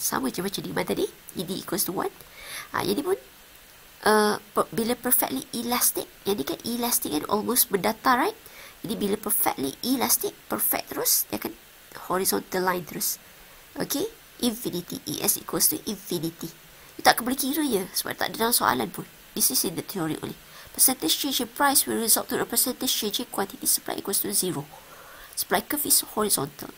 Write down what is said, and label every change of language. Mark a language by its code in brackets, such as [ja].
[ms] Sama je macam demand tadi, ED equals to 1. Jadi pun, bila perfectly elastic, jadi kan elastic kan almost berdatar, right? Jadi bila perfectly elastic, perfect terus, dia akan horizontal line terus. [en] Okay, infinity, ES equals to infinity. [ms] You tak boleh kira je, sebab tak ada dalam soalan pun. [en] This is in the theory only. Percentage change in price will result in a percentage change in quantity supply equals to 0. Supply curve is horizontal.